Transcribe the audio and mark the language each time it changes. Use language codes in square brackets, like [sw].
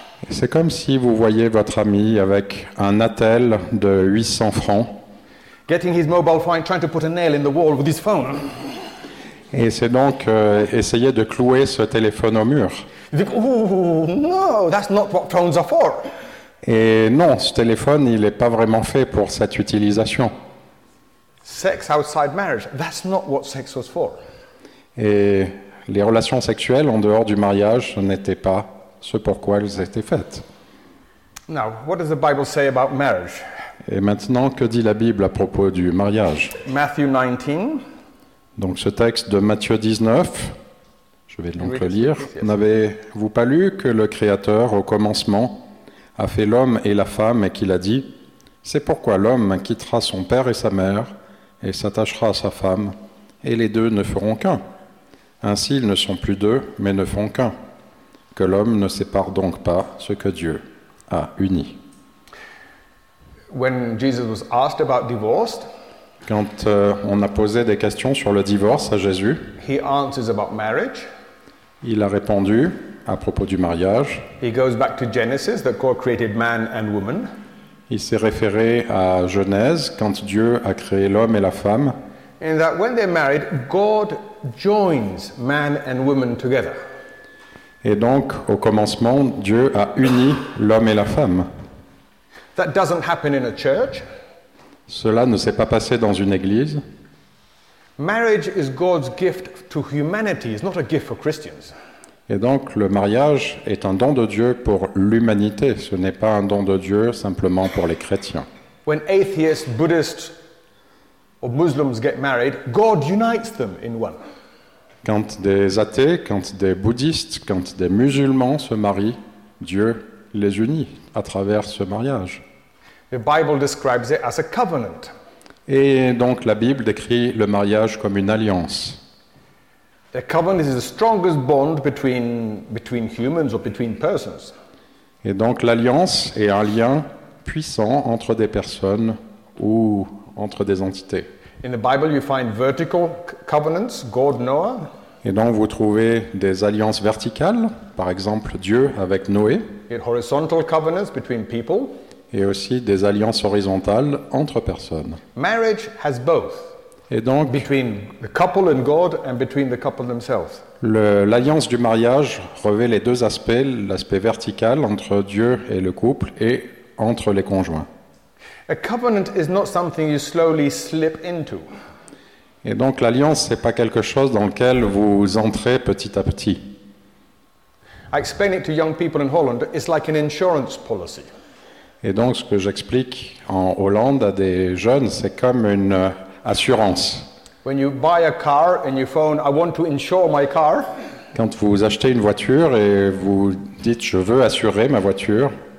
[fr] C'est comme si vous voyez votre ami avec un attel de 800 francs. [en] Getting his mobile phone, trying to put a nail in the wall with his phone. [fr] Et c'est donc essayer de clouer ce téléphone au mur. [en] You think, ooh, no, that's not what phones are for. [fr] Et non, ce téléphone, il n'est pas vraiment fait pour cette utilisation. [en] Sex outside marriage, that's not what sex was for. [fr] Et les relations sexuelles en dehors du mariage, ce n'était pas ce pour quoi elles étaient faites. [en] Now, what does the Bible say about marriage? [fr] Et maintenant, que dit la Bible à propos du mariage? [en] Matthew 19. [fr] Donc ce texte de Matthieu 19, je vais donc le lire. Yes. N'avez-vous pas lu que le Créateur, au commencement, a fait l'homme et la femme et qu'il a dit, c'est pourquoi l'homme quittera son père et sa mère et s'attachera à sa femme et les deux ne feront qu'un. Ainsi, ils ne sont plus deux, mais ne font qu'un. Que l'homme ne sépare donc pas ce que Dieu a uni. [en] When Jesus was asked about divorce, [fr] quand on a posé des questions sur le divorce à Jésus, [en] he answers about marriage. [fr] Il a répondu, à propos du mariage. [en] He goes back to Genesis, that God created man and woman. [fr] Il s'est référé à Genèse, quand Dieu a créé l'homme et la femme. [en] And that when they're married, God joins man and woman together. [fr] Et donc, au commencement, Dieu a uni l'homme et la femme. [en] That doesn't happen in a church. [fr] Cela ne s'est pas passé dans une église. [en] Marriage is God's gift to humanity, it's not a gift for Christians. [fr] Et donc, le mariage est un don de Dieu pour l'humanité. Ce n'est pas un don de Dieu simplement pour les chrétiens. [en] When atheists, Buddhists, or Muslims get married, God unites them in one. [fr] Quand des athées, quand des bouddhistes, quand des musulmans se marient, Dieu les unit à travers ce mariage. [en] The Bible describes it as a covenant. [fr] Et donc la Bible décrit le mariage comme une alliance. [en] A covenant is the strongest bond between humans or between persons. [fr] Et donc l'alliance est un lien puissant entre des personnes ou entre des entités. [en] In the Bible you find vertical covenants, God, Noah. [fr] Et donc vous trouvez des alliances verticales, par exemple Dieu avec Noé. [en] In horizontal covenants between people. [fr] Et aussi des alliances horizontales entre personnes. [en] Marriage has both. [fr] Et donc [en] between the couple and God and between the couple themselves. [fr] L'alliance du mariage revêt les deux aspects, l'aspect vertical entre Dieu et le couple et entre les conjoints. [en] A covenant is not something you slowly slip into. [fr] Et donc l'alliance c'est pas quelque chose dans lequel vous entrez petit à petit. [en] I explain it to young people in Holland, it's like an insurance policy. [fr] Et donc ce que j'explique en Hollande à des jeunes, c'est comme une assurance. [en] When you buy a car and you phone, I want to insure my car. [fr] Quand vous achetez une voiture et vous dites je veux assurer ma voiture.